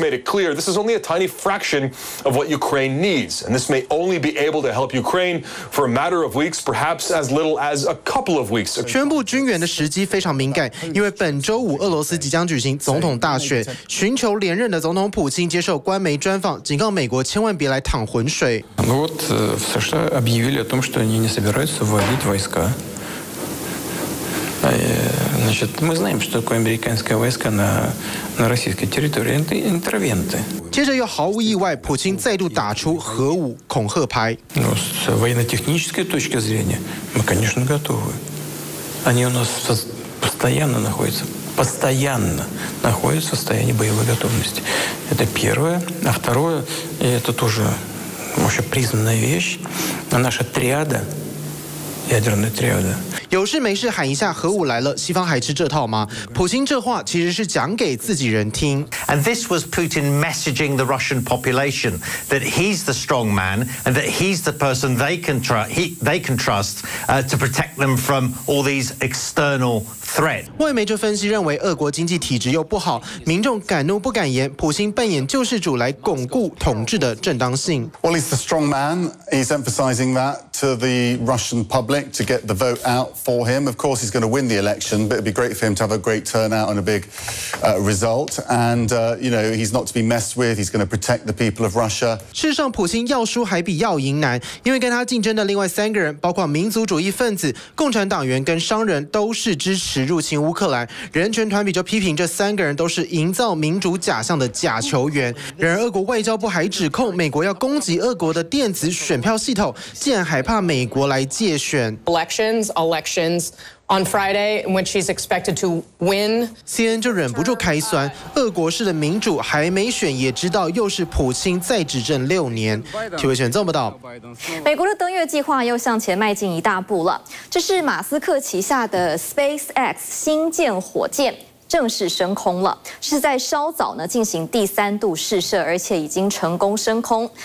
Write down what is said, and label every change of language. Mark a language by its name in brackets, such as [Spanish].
[English] made it clear this is only a tiny fraction of what Ukraine needs, and this may only be able to help Ukraine for a matter of weeks. Perhaps as little as a couple of weeks. [Chinese] 宣布军援的时机非常敏感，因为本周五俄罗斯即将举行总统大选，寻求连任的总统普京接受官媒专访，警告美国千万别来淌浑水。 [Russian] Ну вот, в США объявили о том, что они не собираются вводить войска. Значит, мы знаем, что такое американские войска на российской территории. Это интервенты. [Chinese] 接着又毫无意外，普京再度打出核武恐吓牌。 [Russian] Но с военно-технической точки зрения мы, конечно, готовы. Они у нас постоянно находятся в состоянии боевой готовности. Это первое. А второе, и это тоже, в общем, признанная вещь, наша триада ядерные триады. [Chinese] 有事没事喊一下核武来了，西方还吃这套吗？普京这话其实是讲给自己人听。 [English] And this was Putin messaging the Russian population that he's the strong man and that he's the person they can trust to protect them from all these external threats. [Chinese] 外媒就分析认为，俄国经济体制又不好，民众敢怒不敢言，普京扮演救世主来巩固统治的正当性。 [English] Well, he's the strong man. He's emphasizing that to the Russian public to get the vote out. For him, of course, he's going to win the election, but it'd be great for him to have a great turnout and a big result. And you know, he's not to be messed with. He's going to protect the people of Russia. [Chinese] 事实上，普京要输还比要赢难，因为跟他竞争的另外三个人，包括民族主义分子、共产党员跟商人，都是支持入侵乌克兰。人权团体就批评这三个人都是营造民主假象的假球员。然而，俄国外交部还指控美国要攻击俄国的电子选票系统，竟然还怕美国来借选。 [English] Elections on Friday, in which he's expected to win. [Chinese] CNN 就忍不住开酸，俄国式的民主还没选，也知道又是普京再执政六年。体委选这么到，美国的登月计划又向前迈进一大步了。这是马斯克旗下的 SpaceX 星舰火箭。正式升空了，是在稍早呢进行第三度试射，而且已经成功升空。